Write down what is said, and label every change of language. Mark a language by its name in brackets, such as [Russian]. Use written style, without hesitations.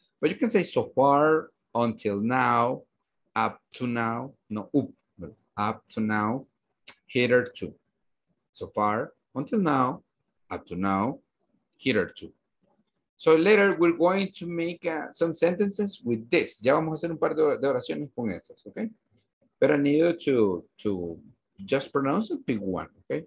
[English] But you can say so far, until now, up to now, up to now, hitherto. So far, until now, up to now, hitherto. So later we're going to make some sentences with this. [Spanish] Ya vamos a hacer un par de oraciones con estas, okay? [English] But I need you to just pronounce a big one, okay?